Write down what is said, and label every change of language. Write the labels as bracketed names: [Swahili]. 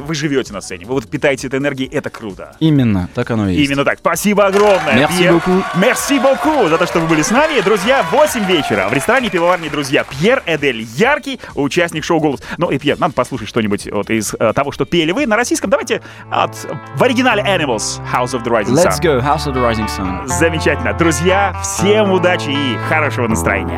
[Russian] Вы живете на сцене. Вы вот питаете этой энергией. Это круто. Именно. Так оно и есть. Именно так. Спасибо огромное, [French] Merci [Russian] Пьер. [French] Beaucoup. Merci beaucoup [Russian] за то, что вы были с нами. Друзья, 8 вечера в ресторане пивоварни «Друзья». Пьер Эдель, яркий участник шоу «Голос». Ну и, Пьер, надо послушать что-нибудь вот из того, что пели вы на российском. Давайте от, в оригинале Animals, House of the Rising Sun. [English] Let's go, House of the Rising Sun. [Russian] Замечательно. Друзья, всем удачи и хорошего настроения.